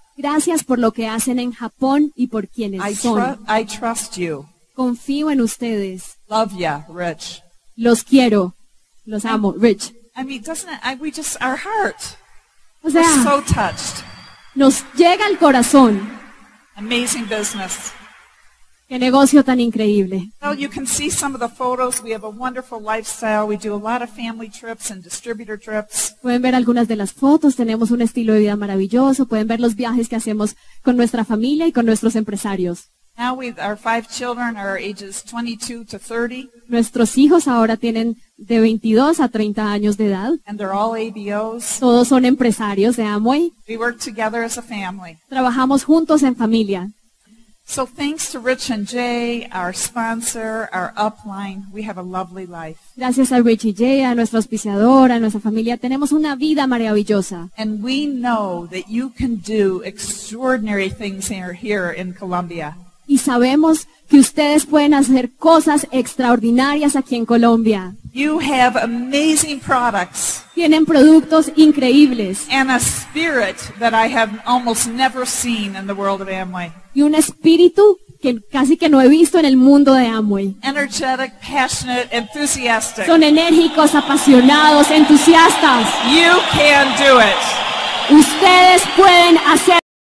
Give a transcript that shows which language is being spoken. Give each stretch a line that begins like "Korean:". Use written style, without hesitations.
Spanish: Gracias por lo que hacen en Japón y por quienes son.
English: I trust you.
Spanish: Confío en ustedes.
English: Love ya, Rich.
Spanish: Los quiero. Los amo, Rich.
English: I mean, doesn't it, we just, our heart.
Spanish: O sea,
English: we're so touched.
Spanish: Nos llega al corazón.
English: Amazing business.
Spanish: ¡Qué negocio tan increíble!
English: Well, you can see some of the photos. We have a wonderful lifestyle. We do a lot of family trips and distributor trips.
Spanish: Pueden ver algunas de las fotos. Tenemos un estilo de vida maravilloso. Pueden ver los viajes que hacemos con nuestra familia y con nuestros empresarios.
English: Now with our 5 children are ages 22 to 30.
Spanish: Nuestros hijos ahora tienen de 22 a 30 años de edad.
English: And they're all ABOs.
Spanish: Todos son empresarios de Amway.
English: We work together as a family.
Spanish: Trabajamos juntos en familia.
English: So thanks to Rich and Jay, our sponsor, our upline, we have a lovely life.
Spanish: Gracias a Rich y Jay, a nuestra auspiciadora, a nuestra familia, tenemos una vida maravillosa.
English: And we know that you can do extraordinary things here in Colombia.
Spanish: Y sabemos que ustedes pueden hacer cosas extraordinarias aquí en Colombia.
English: You have amazing products.
Spanish: Tienen productos increíbles.
English: And a spirit that I have almost never seen in the world of Amway.
Spanish: Y un espíritu que casi que no he visto en el mundo de Amway.
English: Energetic, passionate, enthusiastic.
Spanish: Son enérgicos, apasionados, entusiastas.
English: You can do it.
Spanish: Ustedes pueden hacerlo.